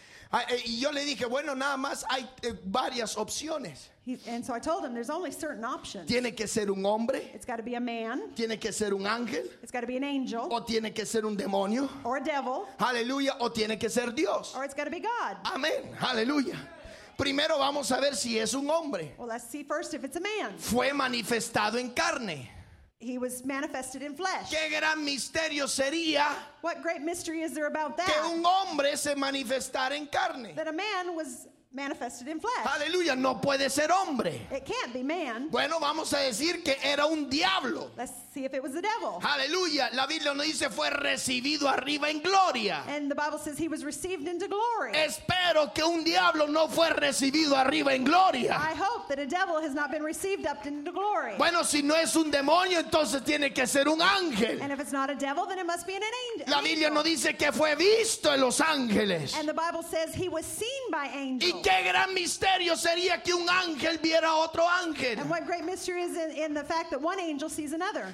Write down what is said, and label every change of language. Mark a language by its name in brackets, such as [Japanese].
[Spanish] Y yo le dije, bueno, nada más hay varias opciones. [English] And so I told him, there's only certain options. [Spanish] Tiene que ser un hombre. [English] It's got to be a man. [Spanish] Tiene que ser un ángel. [English] It's got to be an angel. [Spanish] O tiene que ser un demonio. [English] Or a devil. [Spanish] Aleluya. O tiene que ser Dios. [English] Or it's got to be God. [Spanish] Amén. Aleluya. Primero vamos a ver si es un hombre. [English] Well, let's see first if it's a man. [Spanish] Fue manifestado en carne. [English] He was manifested in flesh. [Spanish] ¿Qué gran misterio sería? [English] What great mystery is there about that? [Spanish] Que un hombre se manifestara en carne. [English] That a man was manifested in flesh. [Spanish] Aleluya, no puede ser hombre. [English] It can't be man. [Spanish] Bueno, vamos a decir que era un diablo. [English] Let's see if it was the devil. [Spanish] Aleluya, la Biblia nos dice fue recibido arriba en gloria. [English] And the Bible says he was received into glory. [Spanish] Espero que un diablo no fue recibido arriba en gloria. [English] I hope that a devil has not been received up into glory. [Spanish] Bueno, si no es un demonio, entonces tiene que ser un ángel. [English] And if it's not a devil, then it must be an angel. [Spanish] La Biblia nos dice que fue visto en los ángeles. [English] And the Bible says he was seen by angels. [Spanish] Y qué gran misterio sería que un ángel viera otro ángel. [English] And what great mystery is in the fact that one angel sees another.